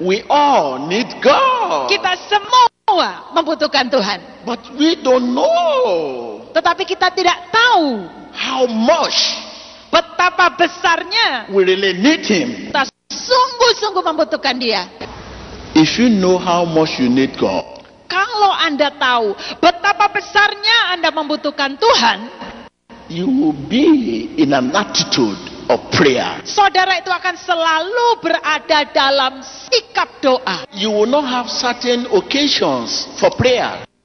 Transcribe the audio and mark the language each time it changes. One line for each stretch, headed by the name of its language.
English: We all need God.
Indonesian: Kita semua membutuhkan Tuhan.
English: But we don't know.
Indonesian: Tetapi kita tidak tahu.
English: How much?
Indonesian: Betapa besarnya.
English: We really need Him.
Indonesian: Kita sungguh-sungguh membutuhkan Dia.
English: If you know how much you need God.
Indonesian: Kalau Anda tahu betapa besarnya Anda membutuhkan Tuhan.
English: You will be in an attitude of prayer.
Indonesian: Saudara itu akan selalu berada dalam sikap doa.
English: You will not have certain occasions for prayer.